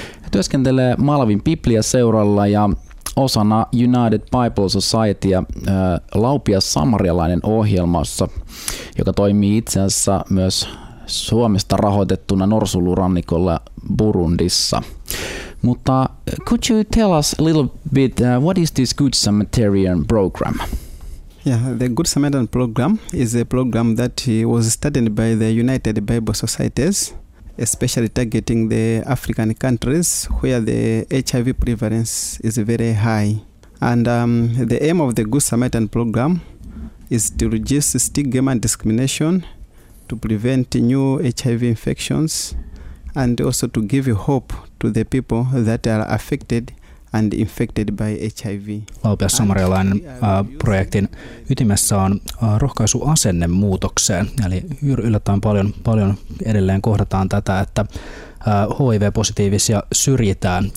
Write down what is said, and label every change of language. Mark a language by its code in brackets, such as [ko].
[fi] Työskentelee Malawin Biblia-seuralla ja osana United Bible Societya Laupia samarialainen ohjelmassa, joka toimii itse asiassa myös Suomesta rahoitettuna norsulurannikolla Burundissa. Mutta [en] could you tell us a little bit, what is this Good Samaritan program? Yeah, the Good Samaritan program is a program that was started by the United Bible Societies, especially targeting the African countries where the HIV prevalence is very high. And the aim of the Good Samaritan program is to reduce stigma and discrimination, to prevent new HIV infections, and also to give hope to the people that are affected and infected by HIV. [fi] Laupia samarialainen projektin ytimessä on rohkaisu asennemuutokseen. Eli yllättäen paljon edelleen kohdataan tätä, että HIV-positiivisia syrjitään.